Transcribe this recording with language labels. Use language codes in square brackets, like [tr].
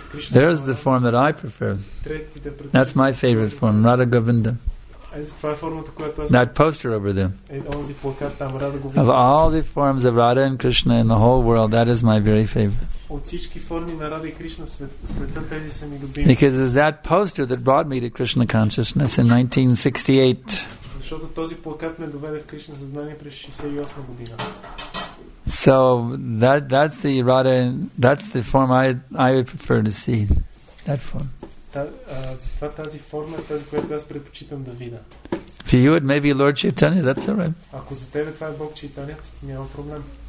[en] There's the form that I prefer. That's my favorite form, Radha Govinda. That poster over there. Of all the forms of Radha and Krishna in the whole world, that is my very favorite. [bg] От всички форми на Рада и Кришна в света, тези са ми любими. [en] Because it's that poster that brought me to Krishna consciousness in 1968. [bg] Защото този плакат ме доведе в Кришна съзнание през 68 година. [en] So that's the Rada, that's the form I would prefer to see. That form. [bg] Затова тази форма е тази, която аз предпочитам да видя. [en] For you it may be Lord Chaitanya, that's all right. [bg] Ако за тебе това е Бог Чайтанья, няма проблем.